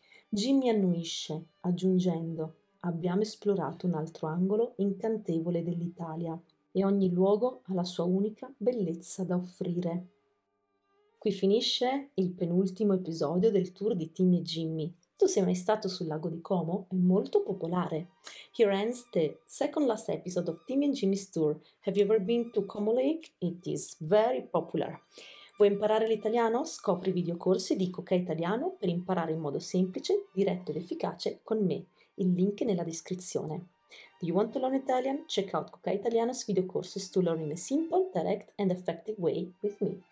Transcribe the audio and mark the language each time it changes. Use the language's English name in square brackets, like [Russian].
[Italian] Jimmy annuisce, aggiungendo: «Abbiamo esplorato un altro angolo incantevole dell'Italia». E ogni luogo ha la sua unica bellezza da offrire. Qui finisce il penultimo episodio del tour di Timmy e Jimmy. Tu sei mai stato sul lago di Como? È molto popolare. [English] Here ends the second last episode of Timmy and Jimmy's tour. Have you ever been to Como Lake? It is very popular. [Italian] Vuoi imparare l'italiano? Scopri i videocorsi di Coca Italiano per imparare in modo semplice, diretto ed efficace con me. Il link è nella descrizione. [English] Do you want to learn Italian? Check out Coca Italiano's video courses to learn in a simple, direct and effective way with me.